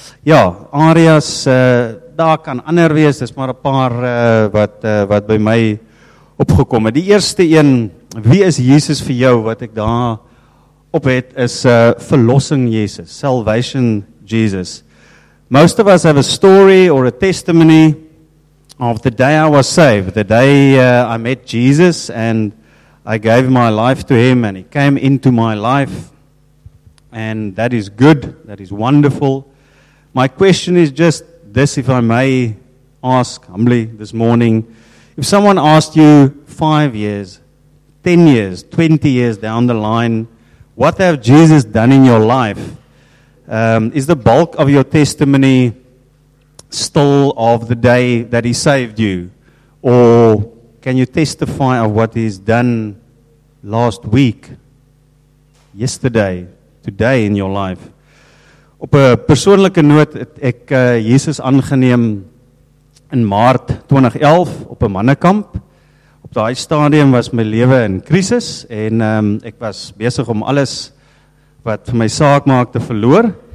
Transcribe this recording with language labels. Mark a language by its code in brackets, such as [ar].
[af] Ja, areas, daar kan ander wees, dis maar 'n paar wat by my opgekom het. Die eerste een, wie is Jesus vir jou, wat ek daar op het, is verlossing Jesus, salvation Jesus. [en] Most of us have a story or a testimony of the day I was saved, the day I met Jesus and I gave my life to him and he came into my life, and that is good, that is wonderful. My question is just this, if I may ask humbly this morning, if someone asked you 5 years, 10 years, 20 years down the line, what have Jesus done in your life? Is the bulk of your testimony still of the day that he saved you? Or can you testify of what he's done last week, yesterday, today in your life? [af] Op 'n persoonlike noot het ek Jesus aangeneem in Maart 2011 op 'n mannekamp. Op daai stadium was my lewe in krisis en ek was besig om alles wat vir my saak maak te verloor.